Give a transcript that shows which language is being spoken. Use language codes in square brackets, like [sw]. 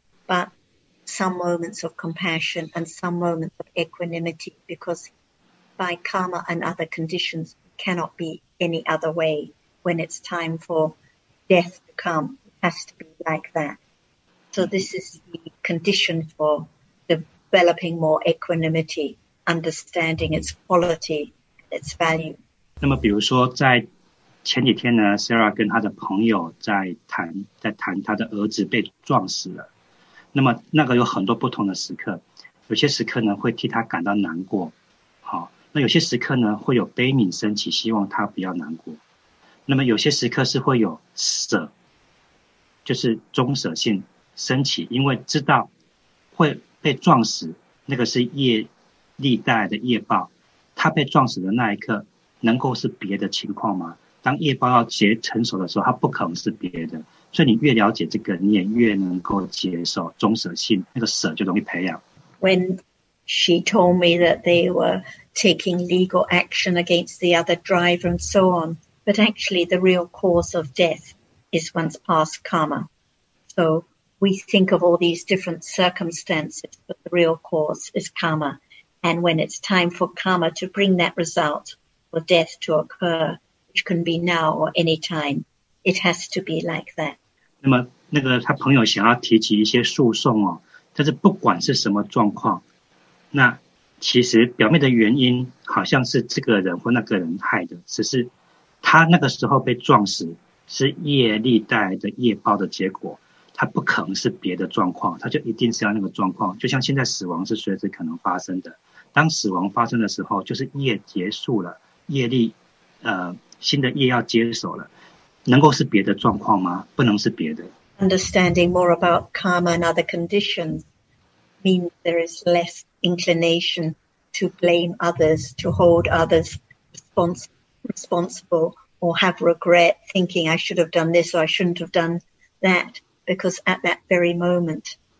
[en] But some moments of compassion and some moments of equanimity, because by karma and other conditions, it cannot be any other way. When it's time for death to come, it has to be like that. So this is the condition for developing more equanimity. Understanding its quality, its value. [zh] 那么，比如说，在前几天呢 ，Sarah 跟她的朋友在谈她的儿子被撞死了。那么，那个有很多不同的时刻，有些时刻呢会替他感到难过，好，那有些时刻呢会有悲悯升起，希望他不要难过。那么，有些时刻是会有舍，就是忠舍性升起，因为知道会被撞死，那个是业。历代的业报，他被撞死的那一刻，能够是别的情况吗？当业报要结成熟的时候，他不可能是别的。所以你越了解这个，你也越能够接受忠舍性，那个舍就容易培养。 [en] When she told me that they were taking legal action against the other driver and so on, but actually the real cause of death is one's past karma. So we think of all these different circumstances, but the real cause is karma. And when it's time for karma to bring that result for death to occur, which can be now or any time, it has to be like that. [zh] 那么那个他朋友想要提起一些诉讼哦，但是不管是什么状况，那其实表面的原因好像是这个人或那个人害的，只是他那个时候被撞死是业力带来的业报的结果，他不可能是别的状况，他就一定是要那个状况。就像现在死亡是随时可能发生的，当死亡发生的时候，就是业结束了，业力，新的业要接手了，能够是别的状况吗？不能是别的。 [en] Understanding more about karma and other conditions means there is less inclination to blame others, to hold others responsible, or have regret, thinking I should have done this or I shouldn't have done that.Because at that very moment,